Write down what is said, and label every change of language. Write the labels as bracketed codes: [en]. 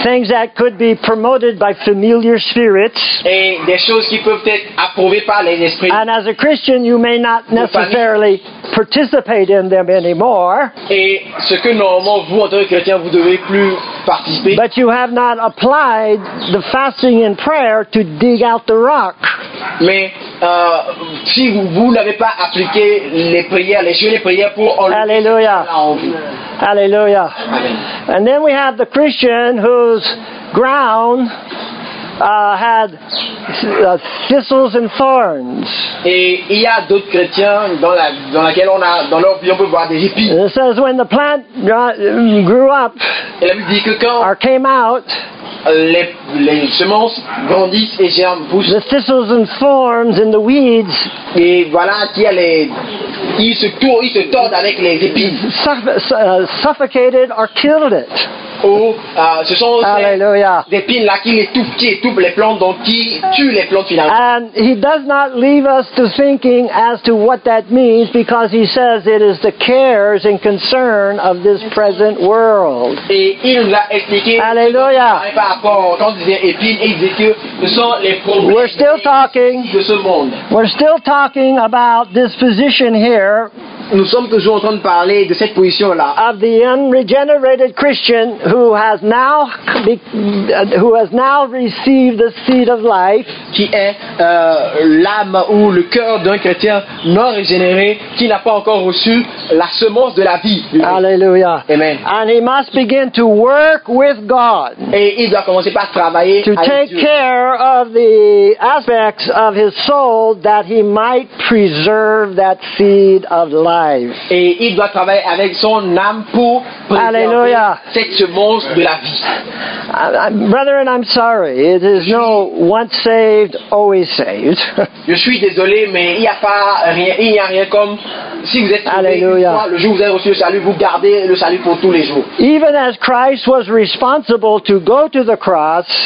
[en] Things that could be promoted by familiar spirits. [fr] Et des choses qui peuvent être approuvées par les esprits. [en] And as a Christian you may not necessarily participate in them anymore. [fr] Et ce que normalement vous en tant que chrétien vous devez plus participer. [en] But you have not applied the fasting and prayer to dig out the rock. [fr] Mais si vous n'avez pas appliqué les prières, les jeûnes et les prières pour enlever [en] hallelujah. Hallelujah. And then we have the Christian whose ground had thistles and thorns. [fr] Et il y a d'autres chrétiens dans laquelle on a dans leur vie on peut voir des épis. [en] It says when the plant grew up, [fr] et la Bible dit que quand [en] or came out, [fr] les semences grandissent et germent, poussent. [en] The thistles and thorns and the weeds. [fr] Et voilà qui a ils se tordent avec les épis. [en] Suffocated or killed it. [fr] Ce sont des épines là qui étouffent les plantes, donc qui tuent les plantes finalement. [en] And he does not leave us to thinking as to what that means, because he says it is the cares and concern of this present world. [fr] Et il nous a expliqué. Alléluia. Par rapport quand il disait épines, il disait que ce sont les problèmes. [en] We're still talking. [fr] De ce monde. [en] We're still talking about this position here. [fr] Nous sommes toujours en train de parler de cette position là. [en] Of the unregenerated Christian. Who has now received the seed of life? [fr] Qui est l'âme ou le cœur d'un chrétien non régénéré qui n'a pas encore reçu la semence de la vie? Alléluia. Amen. [en] And he must begin to work with God. [fr] Et il doit commencer par travailler [en] to take [fr] Dieu. [en] Care of the aspects of his soul that he might preserve that seed of life. [fr] Et il doit travailler avec son âme pour préserver. [en] Alléluia. Brother, and I'm sorry. It is no once saved, always saved. [fr] Je suis désolé, mais il n'y a pas rien. Il n'y a rien comme si vous êtes sauvé une fois, le jour où vous avez reçu le salut, vous gardez le salut pour tous les jours. [en] Even as Christ was responsible to go to the cross,